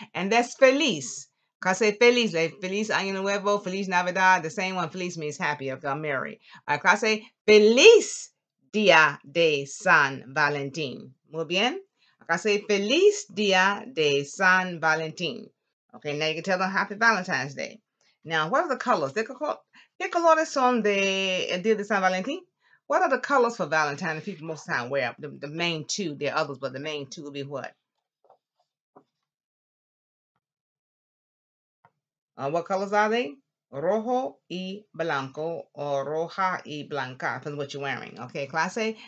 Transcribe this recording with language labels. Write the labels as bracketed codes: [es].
[en] And that's feliz. Because I say feliz, like [es] feliz año nuevo, feliz Navidad. [en] The same one, feliz means happy. Okay, I'm merry. All right. Because I say [es] feliz día de San Valentín. Muy bien. [en] Because I say [es] feliz día de San Valentín. [en] Okay. Now you can tell them happy Valentine's Day. Now, what are the colors? [es] ¿Qué colores son de día de San Valentín? [en] What are the colors for Valentine's that people most of the time wear? The main two, there are others, but the main two would be what? What colors are they? [es] Rojo y blanco, [en] or [es] roja y blanca, [en] depends on what you're wearing. Okay, clase.